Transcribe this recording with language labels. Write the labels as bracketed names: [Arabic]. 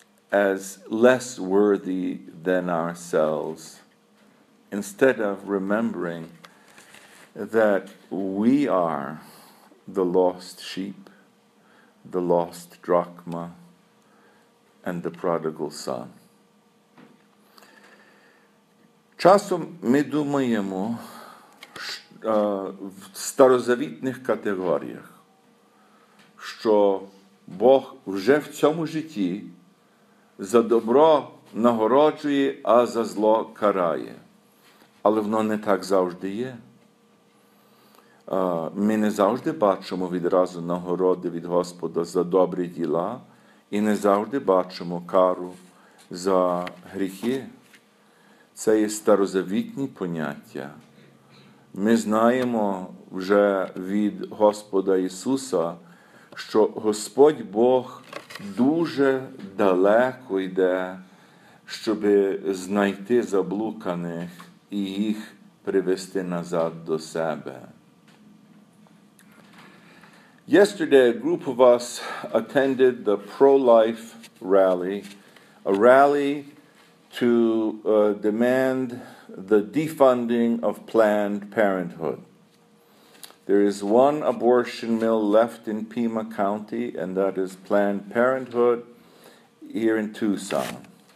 [English] as less worthy than ourselves, instead of remembering that we are the lost sheep, the lost drachma, and the prodigal son. [Ukrainian] Часом ми думаємо в старозавітних категоріях, що Бог вже в цьому житті за добро нагороджує, а за зло карає. Але воно не так завжди є. Ми не завжди бачимо відразу нагороди від Господа за добрі діла і не завжди бачимо кару за гріхи. Це є старозавітні поняття. Ми знаємо вже від Господа Ісуса, що Господь Бог дуже далеко йде, щоб знайти заблуканих і їх привести назад до себе. [English] Yesterday a group of us attended the pro-life rally, a rally to demand the defunding of Planned Parenthood. There is one abortion mill left in Pima County, and that is Planned Parenthood here in Tucson.